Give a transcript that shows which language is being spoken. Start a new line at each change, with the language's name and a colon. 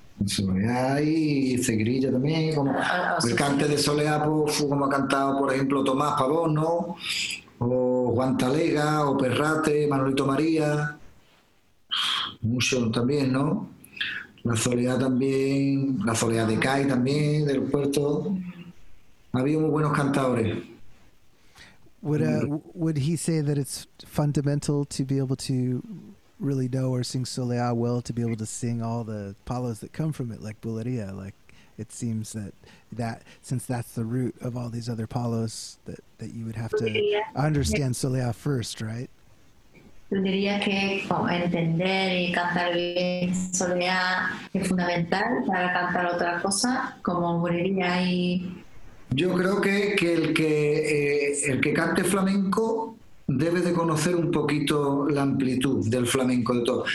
Spanish: Soleá y Ceguerilla también. Como el cante de Soleá, pues, como ha cantado, por ejemplo, Tomás Pavón, ¿no? O Juan Talega, o Perrate, Manolito María. Mucho también, ¿no? La Soleá también, la Soleá de Cai también, del puerto. Había muy buenos cantadores.
English: Would he say that it's fundamental to be able to really know or sing Soleá well, to be able to sing all the palos that come from it, like Bulería? Like, it seems that since that's the root of all these other palos, that you would have to understand Soleá first, right?
Spanish: Yo diría que entender y cantar bien Soleá es fundamental para cantar otra cosa, como Bulería y... Yo creo que el que cante flamenco debe de conocer un poquito la amplitud del flamenco, de todo.